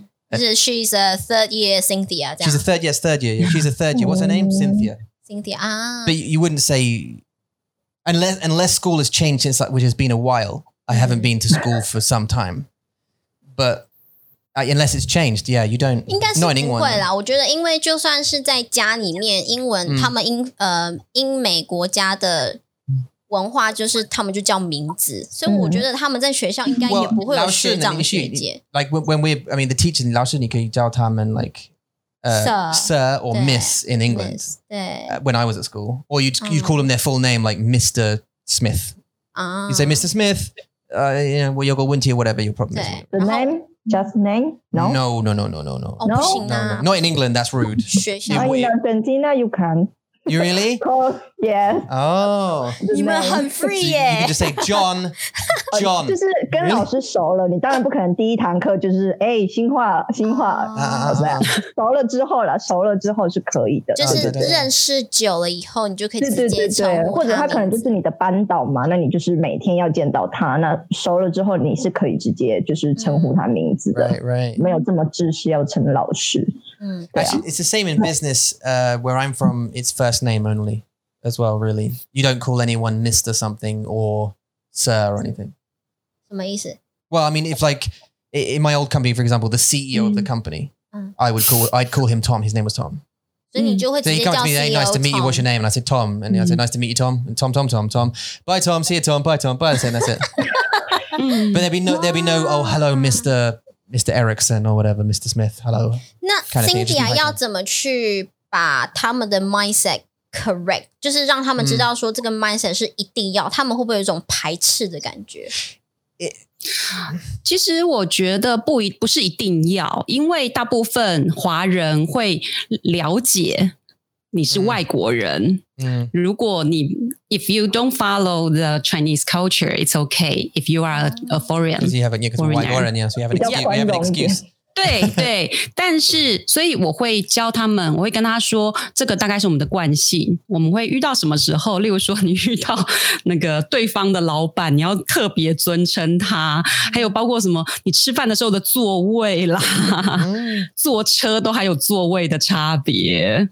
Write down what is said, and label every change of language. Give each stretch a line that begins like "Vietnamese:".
Chinese: 对，就是
English: she's a third year Cynthia. She's a third year. Yes, third year. Yeah. She's a third year. What's her name? Cynthia. Cynthia. Ah. But you wouldn't say unless school has changed since like which has been a while. I haven't been to school for some time, but. Unless it's changed, yeah, you don't.
Chinese: 应该是不会啦。我觉得，因为就算是在家里面，英文、嗯、他们英美国家的文化就是他们就叫名字，嗯、所以我觉得他们在学校应该也不会有学长学姐。
English: Well, like when we, I mean, the teacher,
Chinese: 老师，你可以叫他们
English: like sir or miss in England.
Chinese: Miss, 对。
English: When I was at school, or you'd call them their full name, like Mr. Smith. You say Mr. Smith. You know, well, you've got 问题 or whatever your problem is. The name. Just name? No? No. Oh, no?
Chinese: 不行啊。
English: Not in England, that's rude.
Chinese: 学校。
English: In Argentina, you can. You really? Of course, yes. Oh.
Chinese: 你们很 free 耶。
English: You can just say John. John.
Chinese: 就是跟老师熟了，你当然不可能第一堂课就是，哎，新话，好吧。熟了之后是可以的。就是认识久了以后，你就可以直接称呼他名字。对对对对。或者他可能就是你的班导嘛，那你就是每天要见到他，那熟了之后你是可以直接就是称呼他名字的。
English: Right, right.
Chinese: 没有这么正式要称老师。
English: Actually, it's the same in business. Where I'm from, it's first name only, as well. Really, you don't call anyone Mr. something or Sir or anything.
Chinese: 什么意思？
English: Well, I mean, if like in my old company, for example, the CEO of the company, I'd call him Tom. His name was Tom. So he comes to me, hey, nice to meet you. What's your name? And I said Tom, and I said nice to meet you, Tom. And Tom. Bye, Tom. See you, Tom. Bye, Tom. Bye. And that's it. But there'd be no. Oh, hello, Mr. Mr. Erickson or whatever, Mr. Smith, hello.
Chinese: 那 Cynthia 要怎么去把他们的
English: mindset correct,
Chinese: 就是让他们知道说这个 mindset 是一定要，他们会不会有一种排斥的感觉？其实我觉得不是一定要，因为大部分华人会了解你是外国人。如果你
English: if you don't follow the Chinese culture, it's okay. If you are a foreigner, because you have a foreigner, yeah, so you have an excuse.
Chinese: 对对，但是所以我会教他们，我会跟他说，这个大概是我们的惯性。我们会遇到什么时候，例如说你遇到那个对方的老板，你要特别尊称他。还有包括什么，你吃饭的时候的座位啦，坐车都还有座位的差别。